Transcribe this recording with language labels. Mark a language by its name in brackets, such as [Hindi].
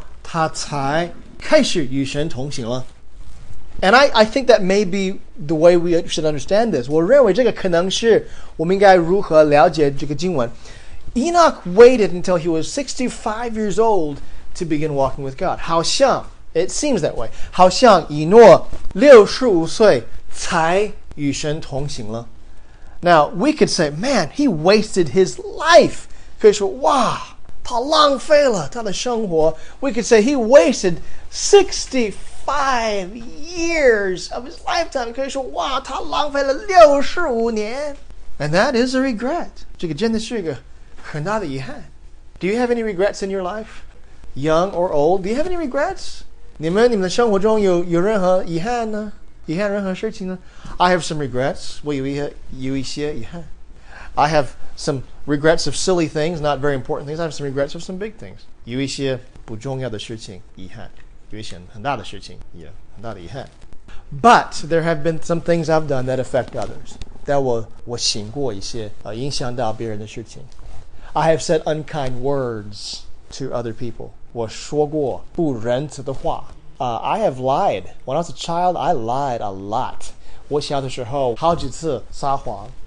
[Chinese] 他们的看法就是,好像以诺活到65岁,他的孩子出生以后,他才开始与神同行了. [English] And I think that may be the way we should understand this. [Chinese] 我认为这个可能是我们应该如何了解这个经文. [English] Enoch waited until he was 65 years old to begin walking with God. [Chinese] 好像, [English] it seems that way. [Chinese] 好像以诺65岁才与神同行了. [English] Now, we could say, man, he wasted his life. [Chinese] 可以说,哇,他浪费了他的生活. [English] We could say he wasted 65 years of his lifetime. [Chinese] 可以说,哇,他浪费了65年. [English] And that is a regret. [Chinese] 这个真的是一个很大的遗憾. [English] Do you have any regrets in your life? Young or old? Do you have any regrets? [Chinese] 你们的生活中有任何遗憾呢? 遗憾任何事情呢? [English] I have some regrets. [Chinese] 我有一些遗憾. [English] I have some regrets of silly things, not very important things. I have some regrets of some big things. [Chinese] 有一些不重要的事情,遗憾.有一些很大的事情,也很大的遗憾. [English] But there have been some things I've done that affect others. [Chinese] 但我醒过一些影响到别人的事情. [English] I have said unkind words to other people. [Chinese] 我说过不仁慈的话. [English] I have lied. When I was a child, I lied a lot. [Chinese] 我小的时候好几次撒谎.